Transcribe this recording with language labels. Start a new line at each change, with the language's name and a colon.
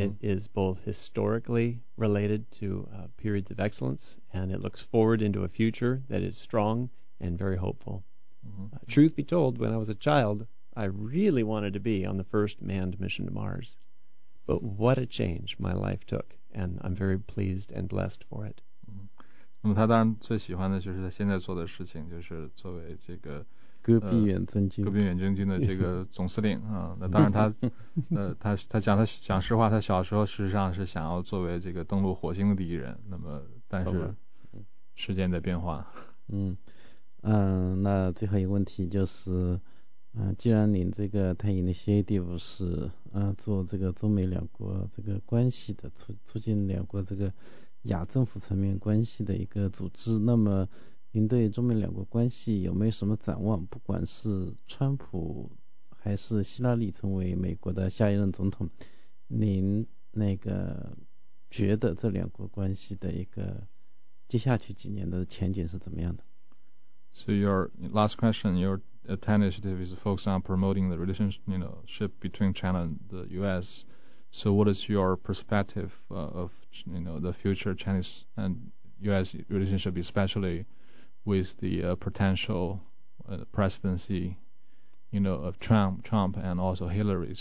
English: It is both historically related to periods of excellence, and it looks forward into a future that is strong and very hopeful. Mm-hmm. Truth be told, when I was a child, I really wanted to be on the first manned mission to Mars. But what a change my life took, and I'm very pleased and blessed for it.
Chinese: 那么他当然最喜欢的就是他现在做的事情，就是作为这个戈壁远征军的这个总司令啊。那当然他讲实话，他小时候事实上是想要作为这个登陆火星的第一人。那么但是时间的变化，那最后一个问题就是，既然您这个太乙的 CADF 是做这个中美两国这个关系的，促进两国这个亚政府层面关系的一个组织，那么您对中美两国关系有没有什么展望？不管是川普还是希拉里成为美国的下一任总统，您那个觉得这两国关系的一个接下去几年的前景是怎么样的？
English: So your last question, your TAN initiative is focused on promoting the relationship, you know, ship between China and the US. So what is your perspective of you know, the future Chinese and U.S. relationship, especially with the potential presidency, you know, of Trump and also Hillary.